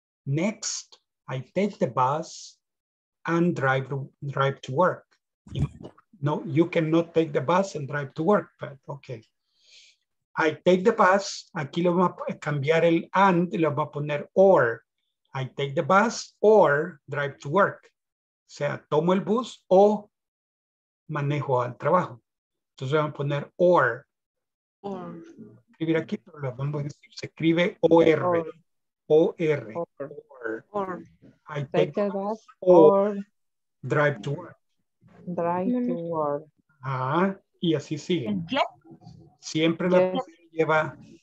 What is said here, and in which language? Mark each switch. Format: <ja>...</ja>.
<en>Next, I take the bus and drive to work. No, you cannot take the bus and drive to work, but okay. I take the bus,</en> <es>aquí lo vamos a cambiar el and, lo vamos a poner or.</es> <en>I take the bus or drive to work.</en> <es>O sea, tomo el bus o manejo al trabajo. Entonces vamos a poner or. Escribir aquí, pero lo vamos a decir, se escribe or.</es> <en>O-R. Or. I take the bus or drive to work. Drive to work.</en> <es>Ah, y así sigue. Siempre la primera lleva.</es>